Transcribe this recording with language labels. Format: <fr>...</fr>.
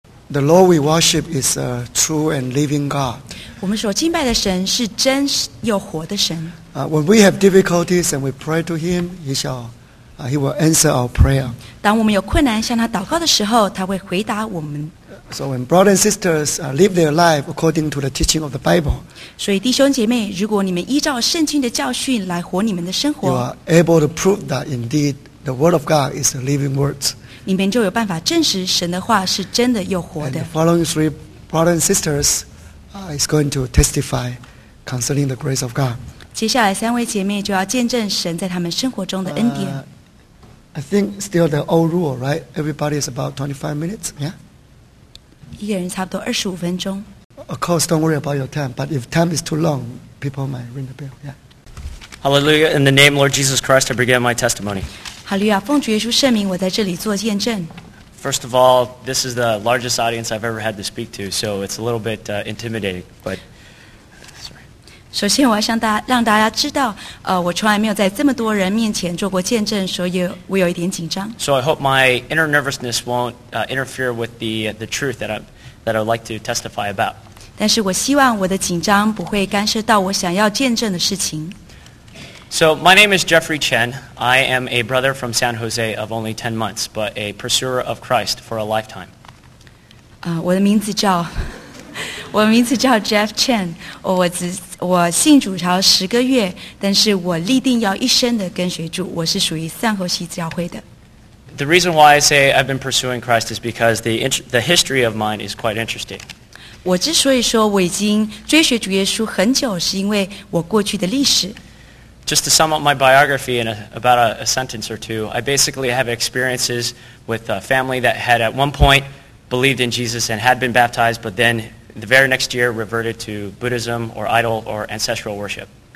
<en>The Lord we worship is a true and living God.</en> <zh>我们所敬拜的神是真又活的神。</zh> <en>When we have difficulties and we pray to Him, He will answer our prayer.</en> <zh>当我们有困难向他祷告的时候，他会回答我们。</zh> <en>So when brothers and sisters live their life according to the teaching of the Bible,</en> <zh>所以弟兄姐妹，如果你们依照圣经的教训来活你们的生活</zh> <en>，You are able to prove that indeed the Word of God is a living word.</en> <zh>你们就有办法证实神的话是真的又活的。</zh> <en>And the following three brothers and sisters is going to testify concerning the grace of God.</en> <zh>接下来三位姐妹就要见证神在他们生活中的恩典。</zh> <en>I think still the old rule, right? Everybody is about 25 minutes, yeah?</en> <zh>一个人差不多二十五分钟。</zh> <en>Of course, don't worry about your time, but if time is too long, people might ring the bell. Yeah. Hallelujah! In the name of Lord Jesus Christ, I begin my testimony. Hallelujah!</en> <zh>奉主耶稣圣名，我在这里做见证。</zh> <en>First of all, this is the largest audience I've ever had to speak to, so it's a little bit intimidating. But sorry.</en> <zh>首先，我要让大家知道，我从来没有在这么多人面前做过见证，所以我有一点紧张。</zh> <en>So I hope my inner nervousness won't interfere with the truth that I'd like to testify about.</en> <zh>但是我希望我的紧张不会干涉到我想要见证的事情。</zh> <en>So my name is Jeffrey Chen. I am a brother from San Jose of only 10 months, but a pursuer of Christ for a lifetime.</en> <zh>我的名字叫 Jeff Chen. 我信主才十个月，但是我立定要一生的跟随主。我是属于圣何西教会的。</zh> <en>The reason why I say I've been pursuing Christ is because the history of mine is quite interesting.</en> <zh>我之所以说我已经追随主耶稣很久，是因为我过去的历史。</zh> <en>Just to sum up my biography in about a sentence or two, I basically have experiences with a family that had at one point believed in Jesus and had been baptized, but then the very next year reverted to Buddhism or idol or ancestral worship.</en>